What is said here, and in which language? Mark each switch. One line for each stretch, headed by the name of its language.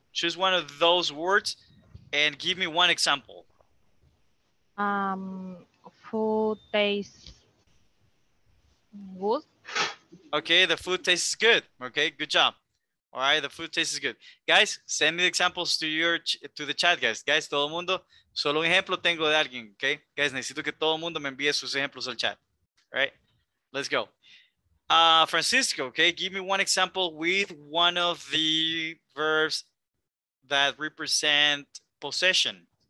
English: Choose one of those words and give me one example. Food tastes good. Okay, the food tastes good. Okay, good job. All right, the food tastes good. Guys, send me the examples to your to the chat, guys.
Spanish: Guys, todo el mundo, solo un ejemplo tengo de alguien, okay? Guys, necesito que todo el mundo me envíe sus ejemplos al chat.
English: All right, let's go. Francisco, okay, give me one example with one of the verbs that represent possession.